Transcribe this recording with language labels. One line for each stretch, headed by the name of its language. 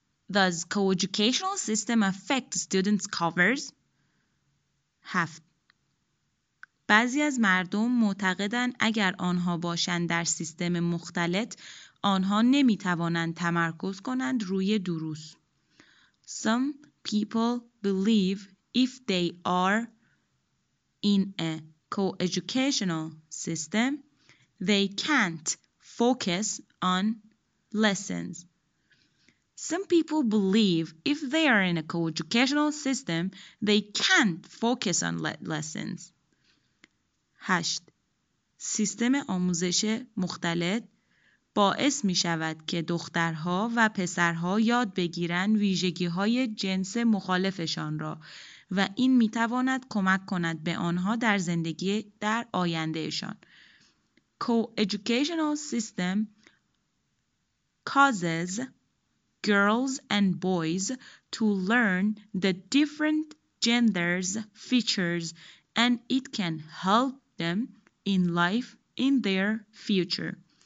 English: Does co-educational system affect students' covers? 7.
Persian: بعضی از مردم معتقدند اگر آنها باشند در سیستم مختلط، آنها نمی توانند تمرکز کنند روی دروس.
English: Some people believe if they are in a co-educational system, they can't focus on lessons. Some people believe if they are in a co-educational system, they can't focus on lessons. 8.
Persian: سیستم آموزش مختلط باعث می شود که دخترها و پسرها یاد بگیرند ویژگی های جنس مخالفشان را و این می تواند کمک کند به آنها در زندگی در آیندهشان.
English: Co-educational system causes girls and boys to learn the different genders features and it can help them in life in their future.